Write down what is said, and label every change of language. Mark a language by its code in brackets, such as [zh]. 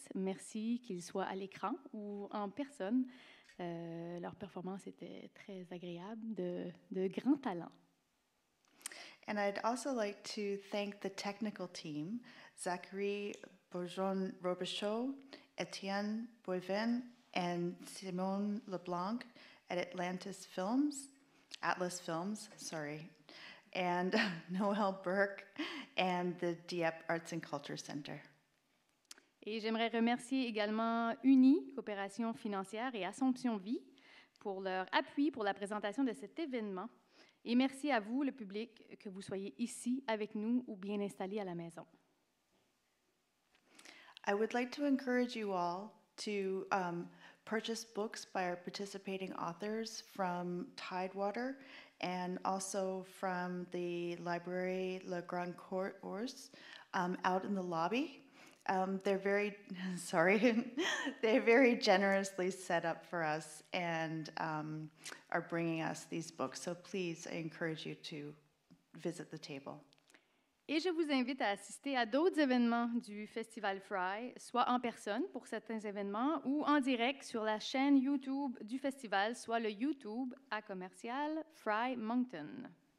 [fr] Merci qu'ils soient à l'écran ou en personne. Leur performance était très agréable, de grand talent. [en] And I'd also like to thank the technical team, Zachary Bourgeon-Robichaud, Étienne Boivin and Simone LeBlanc at Atlantis Films. Atlas Films, sorry, and Noël Burke and the Dieppe Arts and Culture Center. [fr] Et j'aimerais remercier également UNI, Coopération financière et Assomption Vie, pour leur appui pour la présentation de cet événement. Et merci à vous, le public, que vous soyez ici avec nous ou bien installé à la maison. [en] I would like to encourage you all to purchase books by our participating authors from Tidewater and also from the library Le Grand Court Ours out in the lobby. They're very generously set up for us and are bringing us these books. So please, I encourage you to visit the table. [fr] Et je vous invite à assister à d'autres événements du Festival Fry, soit en personne pour certains événements ou en direct sur la chaîne YouTube du festival, soit le YouTube à commercial Fry Moncton.